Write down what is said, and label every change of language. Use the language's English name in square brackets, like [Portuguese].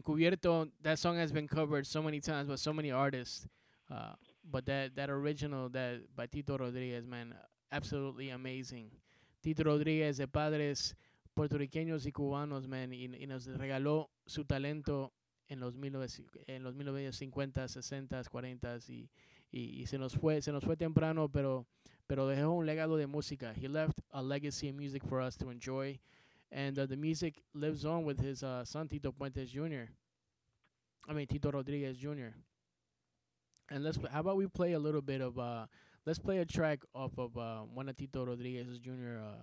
[English] Cubierto, that song has been covered so many times by so many artists. But that original, that by Tito Rodríguez, man, absolutely amazing. [Spanish] Tito Rodríguez, de padres puertorriqueños y cubanos, man, y nos regaló su talento en los 1950s, 60s, 40s, y se nos fue temprano, pero dejó un legado de música. [English] He left a legacy of music for us to enjoy. And the music lives on with his son, Tito Puentes Jr. I mean, Tito Rodríguez Jr. And how about we play a little bit of, let's play a track off of one of Tito Rodríguez Jr.